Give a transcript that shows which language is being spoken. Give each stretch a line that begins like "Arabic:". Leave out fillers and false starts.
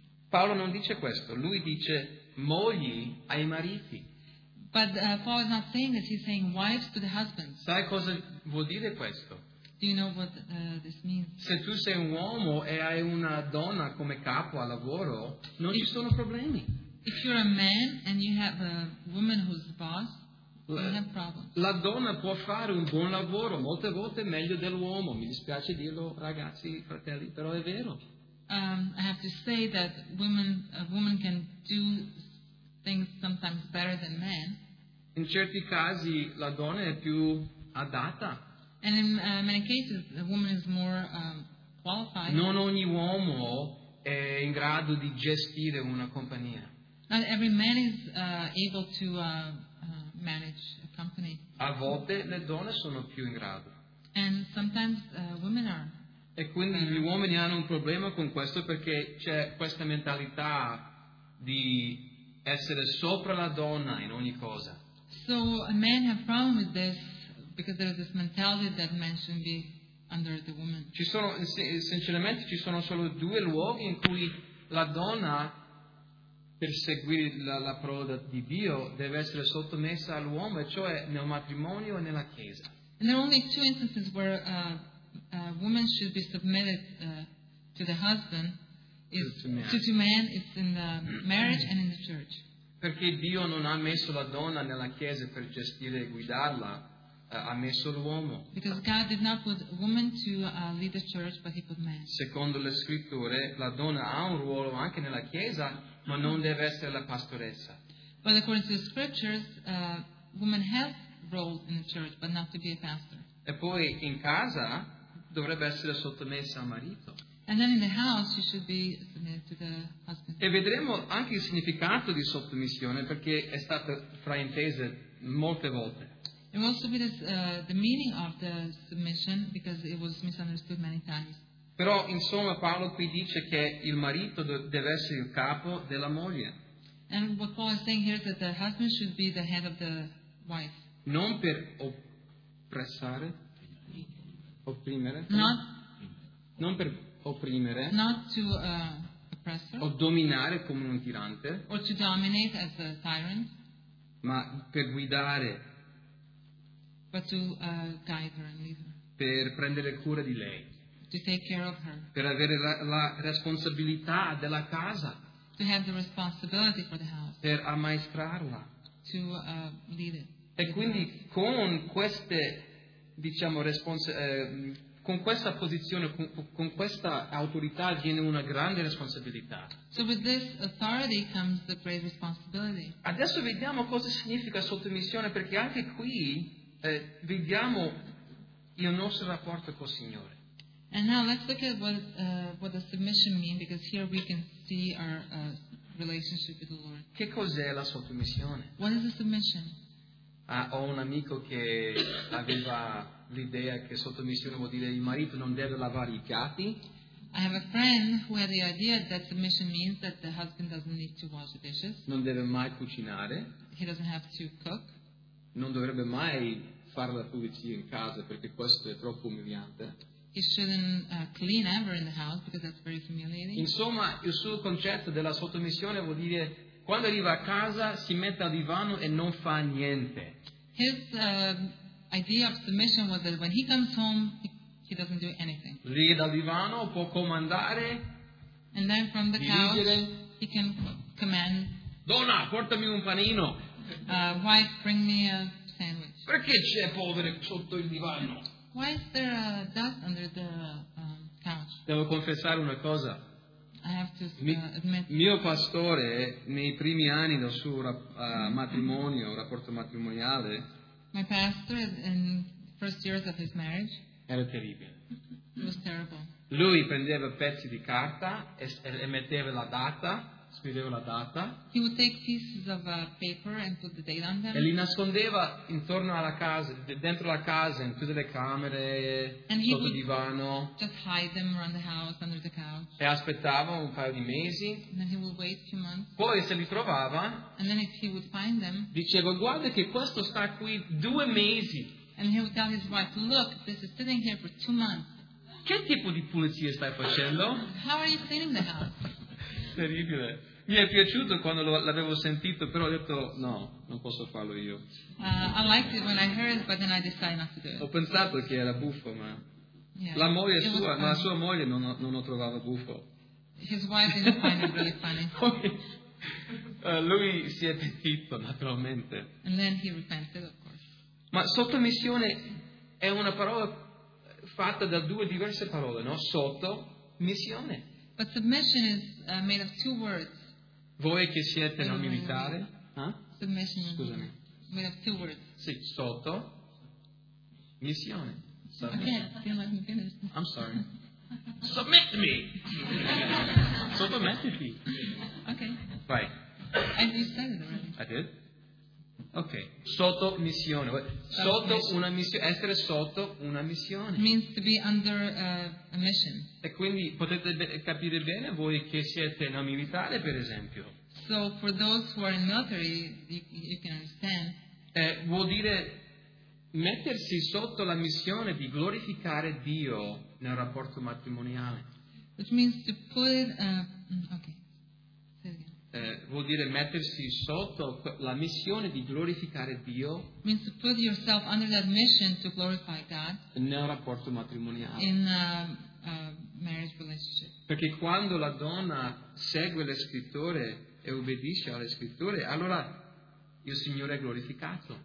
Italian: Paolo non dice questo, lui dice mogli ai mariti.
English: But Paul is not saying this, he's saying wives to the husbands.
Italian: Sai cosa vuol dire questo?
English: Do you know what this means?
Italian: Se tu sei un uomo e hai una donna come capo al lavoro, non ci sono problemi.
English: If you're a man and you have a woman who's the boss,
Italian: la donna può fare un buon lavoro molte volte meglio dell'uomo, mi dispiace dirlo ragazzi, fratelli, però è vero.
English: I have to say that a woman can do things sometimes better than men.
Italian: In certi casi la donna è più adatta.
English: And in many cases the woman is more qualified.
Italian: Non ogni uomo è in grado di gestire una compagnia.
English: Not every man is able to manage a company.
Italian: A volte le donne sono più in grado.
English: And sometimes women are.
Italian: E quindi gli uomini hanno un problema con questo perché c'è questa mentalità di essere sopra la donna in ogni cosa.
English: So a man have problem with this because there is this mentality that men shouldn't be under the woman.
Italian: Ci sono sinceramente ci sono solo due luoghi in cui la donna per seguire la parola di Dio deve essere sottomessa all'uomo, e cioè nel matrimonio e nella chiesa.
English: And there are only two instances where woman should be submitted to the husband is to man. It's in the marriage and in the church.
Italian: Perché Dio non ha messo la donna nella chiesa per gestire e guidarla, ha messo l'uomo.
English: Because God did not put a woman to lead the church, but He put man.
Italian: Secondo le scritture, la donna ha un ruolo anche nella chiesa, ma non deve essere la pastoressa.
English: But according to the scriptures, women have roles in the church, but not to be a pastor.
Italian: E poi in casa dovrebbe essere sottomessa al marito.
English: And then in the house she should be submitted to the husband.
Italian: E vedremo anche il significato di sottomissione perché è stata fraintesa molte volte.
English: And also be this, the meaning of the submission because it was misunderstood many times.
Italian: Però insomma Paolo qui dice che il marito deve essere il capo della moglie.
English: And what Paul is saying here is that the husband should be the head of the wife.
Italian: Non per oppressare, opprimere. Non per opprimere.
English: Not to oppress her.
Italian: O dominare come un tirante.
English: Or to dominate as a tyrant.
Italian: Ma per guidare.
English: But to guide her and lead her.
Italian: Per prendere cura di lei.
English: To take care of her.
Italian: Per avere la responsabilità della casa.
English: To have the responsibility for the house.
Italian: Per ammaestrarla.
English: To lead it.
Italian: E quindi con queste, diciamo, con questa posizione, con questa autorità viene una grande responsabilità.
English: So with this authority comes the great responsibility.
Italian: Adesso vediamo cosa significa sottomissione, perché anche qui vediamo il nostro rapporto col Signore.
English: And now let's look at what does submission mean, because here we can see our relationship with the Lord.
Italian: Che cos'è la sottomissione?
English: What is the submission?
Italian: Ho un amico che aveva l'idea che sottomissione vuol dire il marito non deve lavare i piatti.
English: I have a friend who had the idea that submission means that the husband doesn't need to wash the dishes.
Italian: Non deve mai cucinare.
English: He doesn't have to cook.
Italian: Non dovrebbe mai fare la pulizia in casa perché questo è troppo umiliante.
English: He shouldn't clean ever in the house because that's very humiliating.
Italian: Insomma, il suo concetto della sottomissione vuol dire quando arriva a casa si mette al divano e non fa niente.
English: His idea of submission was that when he comes home he doesn't do anything.
Italian: Lì dal divano può comandare.
English: And then from the
Italian: dirigere.
English: Couch he can command.
Italian: Donna, portami un panino.
English: Wife, bring me a sandwich.
Italian: Perché c'è polvere sotto il divano?
English: Why is there a dust under the couch?
Italian: Devo confessare una cosa.
English: I have to admit.
Italian: Mio pastore, nei primi anni del suo matrimonio, rapporto matrimoniale,
English: my pastor, in the first years of his marriage,
Italian: era terribile.
English: It was terrible.
Italian: Lui prendeva pezzi di carta e metteva la data, scriveva la data.
English: He would take pieces of paper and put the date on them.
Italian: E li nascondeva intorno alla casa, dentro la casa, in tutte le camere, sotto il divano.
English: Just hide them around the house, under the couch.
Italian: E aspettava un paio di mesi.
English: And then he would wait a few months.
Italian: Poi se li trovava.
English: And then if he would find them.
Italian: Diceva, guarda che questo sta qui 2 mesi.
English: And he would tell his wife, look, this is sitting here for 2 months.
Italian: Che tipo di pulizia stai facendo?
English: How are you cleaning the house?
Italian: Terribile. Mi è piaciuto quando l'avevo sentito, però ho detto no, non posso farlo io.
English: I liked it when I heard it, but then I decided not to do it.
Italian: Ho pensato che era buffo, ma
English: yeah,
Italian: la moglie sua, ma la sua moglie non lo trovava buffo.
English: His wife didn't find it really funny.
Italian: Lui si è pentito, naturalmente.
English: And then he repented, of course.
Italian: Ma sottomissione è una parola fatta da due diverse parole, no? Sottomissione.
English: But submission is made of two words.
Italian: Voi che siete non militare,
English: submission.
Italian: Scusami.
English: Made of two words.
Italian: Sì, sotto. Missione.
English: Okay, I'm sorry. Submit to me.
Italian: Sottomettiti.
English: Okay.
Italian: Vai.
English: And you said it already. I did. Okay.
Italian: Sotto missione. Sotto una missione. Essere sotto una missione.
English: It means to be under a mission.
Italian: E quindi potete capire bene voi che siete non militare, per esempio.
English: So for those who are in military, you can understand.
Italian: Vuol dire mettersi sotto la missione di glorificare Dio nel rapporto matrimoniale.
English: Which means to put. Okay. Say it again.
Italian: vuol dire mettersi sotto la missione di glorificare Dio.
English: Means to put yourself under that mission to glorify God.
Italian: Nel rapporto matrimoniale.
English: In a marriage relationship.
Italian: Perché quando la donna segue le scritture e obbedisce alle scritture, allora il Signore è glorificato.